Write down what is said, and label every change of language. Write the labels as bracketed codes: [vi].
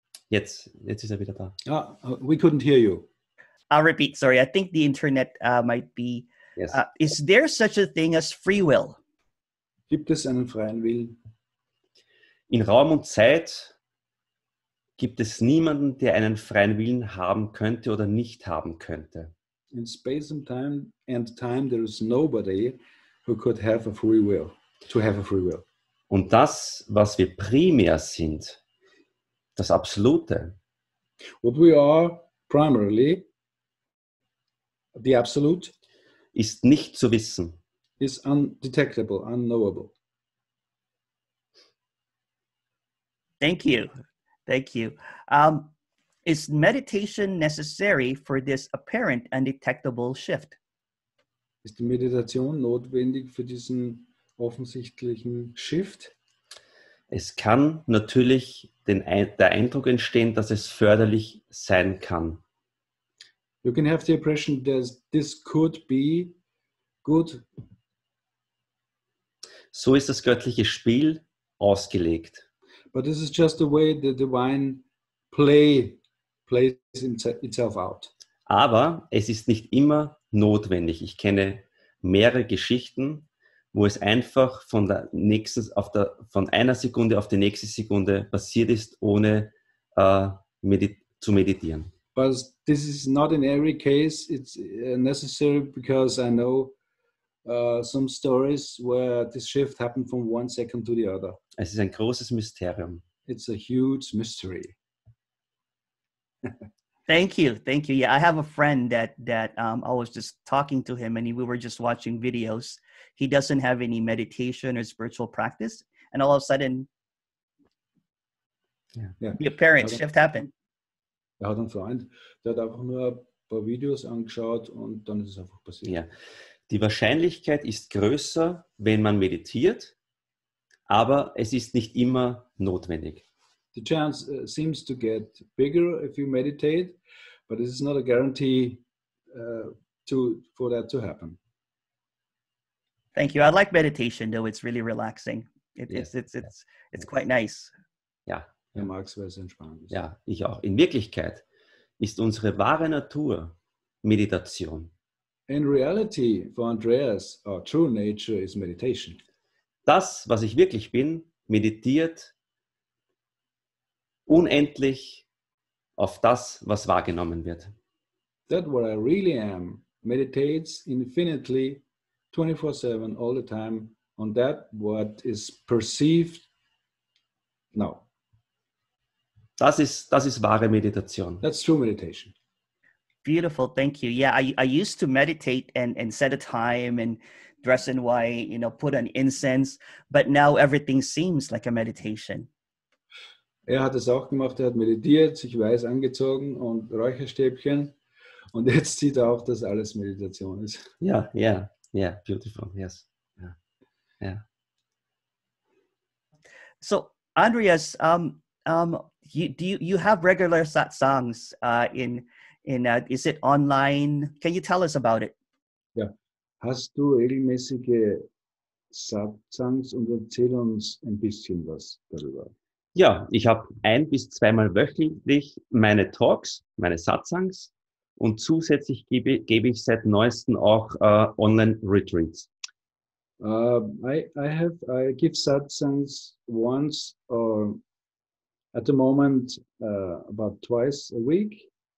[de] Jetzt ist er wieder da. [en] Ah, we couldn't hear you. I'll repeat. Sorry, I think the internet might be. Yes. Is there such a thing as free will? [de] Gibt es einen freien Willen? In Raum und Zeit gibt es niemanden, der einen freien Willen haben könnte oder nicht haben könnte. [en] In space and time there is nobody who could have a free will. [de] Und das, was wir primär sind, das Absolute. [en] What we are primarily, the absolute, [de] ist nicht zu wissen. [en] Is undetectable, unknowable. Thank you. Is meditation necessary for this apparent undetectable shift? [de] Ist die Meditation notwendig für diesen offensichtlichen Shift? Es kann natürlich der Eindruck entstehen, dass es förderlich sein kann. [en] You can have the impression that this could be good. [de] So ist das göttliche Spiel ausgelegt. [en] But this is just the way the divine plays itself out. [de] Aber es ist nicht immer notwendig. Ich kenne mehrere Geschichten, wo es einfach von einer Sekunde auf die nächste Sekunde passiert ist, ohne zu meditieren. [en] But this is not in every case it's necessary, because I know some stories where this shift happened from one second to the other. [de] Es ist ein großes Mysterium. [en] It's a huge mystery. Thank you. Yeah, I have a friend that I was just talking to him, and we were just watching videos. He doesn't have any meditation or spiritual practice, and all of a sudden, yeah. The apparent shift happened. [de] Er hat einen Freund, der hat einfach nur ein paar Videos angeschaut und dann ist es einfach passiert. Ja. Die Wahrscheinlichkeit ist größer, wenn man meditiert, aber es ist nicht immer notwendig. [en] The chance seems to get bigger if you meditate, but it is not a guarantee for that to happen. Thank you. I like meditation, though. It's really relaxing. It's quite nice. [de] Ja. Er mag es, weil es entspannend ist. Ja, ich auch. In Wirklichkeit ist unsere wahre Natur Meditation. [en] In reality, for Andreas, our true nature is meditation. [de] Das, was ich wirklich bin, meditiert unendlich auf das, was wahrgenommen wird. [en] That what I really am meditates infinitely 24/7 all the time on that what is perceived now. [de] Das ist wahre Meditation. [en] That's true meditation. Beautiful, thank you. Yeah, I used to meditate and set a time and dress in white, you know, put an incense, but now everything seems like a meditation. [de] Er hat es auch gemacht, er hat meditiert, sich weiß angezogen und Räucherstäbchen. Und jetzt sieht er auch, dass alles Meditation ist. Ja, ja, ja, [en] beautiful, yes. Yeah. Yeah. So, Andreas, you have regular satsangs is it online? Can you tell us about it? [de] Ja, hast du regelmäßige Satsangs und erzähl uns ein bisschen was darüber? Ja, ich habe 1 bis 2 Mal wöchentlich meine Talks, meine Satsangs. Und zusätzlich gebe ich seit neuestem auch Online-Retreats. [en] I give satsangs once or at the moment about twice a week.